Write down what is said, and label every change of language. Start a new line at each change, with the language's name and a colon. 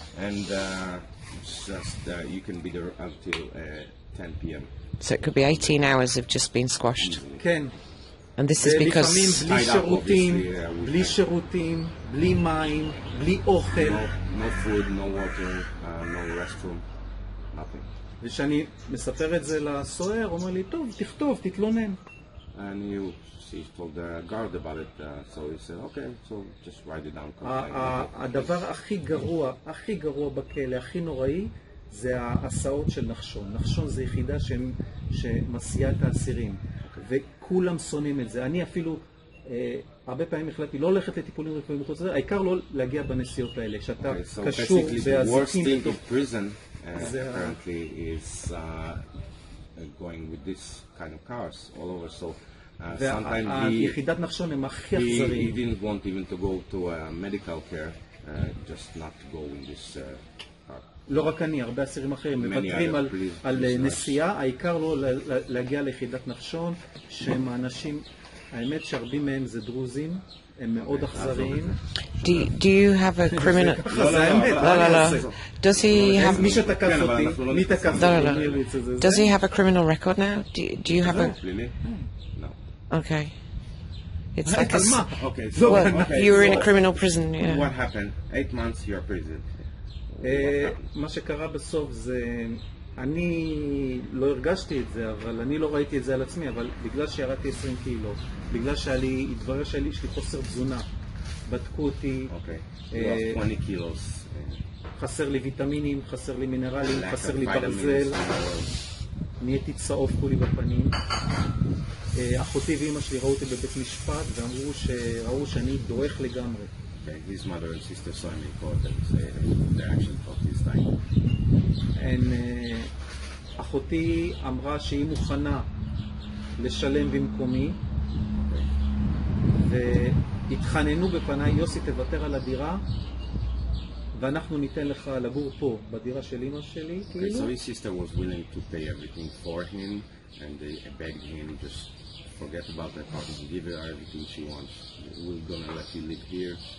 English: And just you can be there until 10 p.m. So it could be 18 hours of just being squashed. Can. And this is because... Tied up, obviously.
Hebrew: בלי שירותים, בלי מים, בלי אוכל.
English: No food, no water, no restroom, nothing.
Hebrew: ושאני מספר את זה לסוער, אומר לי, טוב, תכתוב, תתלונן. אני
English: told the guard about it, so he said, okay, so just write it down.
Hebrew: הדבר הכי גרוע, הכי גרוע בכלא, הכי נוראי, זה ההסעות של נחשון. נחשון זה יחידה שמסיעה את האסירים. וכולם שונאים את זה. אני אפילו, הרבה פעמים החלטתי לא ללכת לטיפולים רפואיים וכל זה, העיקר לא להגיע בנסיעות האלה, שאתה קשור באזיקים.
English: The worst thing of prison, apparently is going with this kind of cars all over, so sometimes he didn't want even to go to medical care, just not to go in this car.
Hebrew: לא רק אני, הרבה אסירים אחרים מבטרים על נסיעה, העיקר לא להגיע ליחידת נחשון, שהם האנשים, האמת שהרבים מהם זה דרוזים, הם מאוד אכזריים.
English: Do you have a criminal?
Hebrew: לא, לא, לא.
English: Does he have...
Hebrew: מי שתקף אותי, מי תקף אותי? לא, לא, לא.
English: Does he have a criminal record now? Do you have a... No. Okay. It's like a... Okay. Well, you were in a criminal prison, yeah. What happened? 8 months, you're in prison.
Hebrew: מה שקרה בסוף זה... אני לא הרגשתי את זה, אבל אני לא ראיתי את זה על עצמי, אבל בגלל שירדתי 20 קילו, בגלל שהיה לי, התברר שיש לי חוסר תזונה, בדקו אותי. אוקיי, לא 20 קילו. חסר לי ויטמינים, חסר לי מינרלים, חסר לי ברזל. נהייתי צהוב כולי בפנים. אחותי ואימא שלי ראו אותי בבית משפט, ואמרו שראו שאני דועך לגמרי.
English: Okay, his mother and sister saw him in court and say they actually thought he's dying.
Hebrew: אחותי אמרה שהיא מוכנה לשלם במקומי, והתחננו בפניי, יוסי תוותר על הדירה ואנחנו ניתן לך לגור פה בדירה של אמא שלי.
English: Okay, so his sister was willing to pay everything for him and they begged him just forget about the apartment, give her everything she wants, we're gonna let you live here.